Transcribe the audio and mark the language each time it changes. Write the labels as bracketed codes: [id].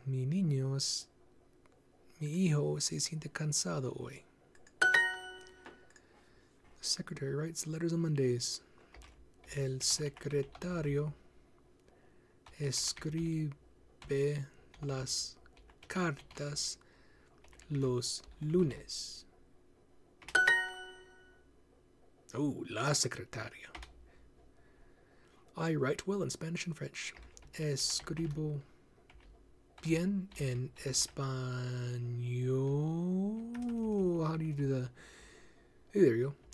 [es] Mi hijo se siente cansado hoy. [en] Secretary writes letters on Mondays. [es] El secretario escribe las cartas los lunes. Oh, la secretaria. [en] I write well in Spanish and French. [es] Escribo bien en español. [en] How do you do that? Hey, there you go.